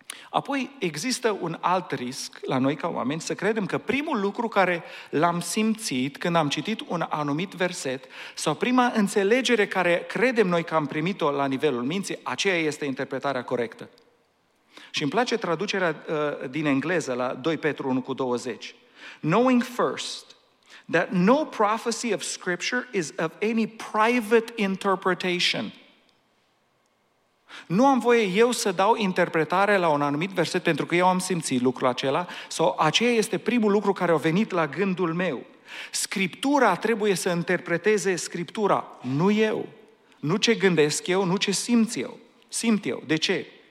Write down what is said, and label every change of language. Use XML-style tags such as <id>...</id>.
<ro>Apoi există un alt risc la noi ca oameni să credem că primul lucru care l-am simțit când am citit un anumit verset sau prima înțelegere care credem noi că am primit-o la nivelul minții, aceea este interpretarea corectă. Și îmi place traducerea din engleză la 2 Petru 1:20.</ro> <en>Knowing first that no prophecy of Scripture is of any private interpretation.</en> <ro>Nu am voie eu să dau interpretare la un anumit verset pentru că eu am simțit lucrul acela sau aceea este primul lucru care a venit la gândul meu. Scriptura trebuie să interpreteze Scriptura, nu eu. Nu ce gândesc eu, nu ce simt eu. Simt eu. De ce?</ro>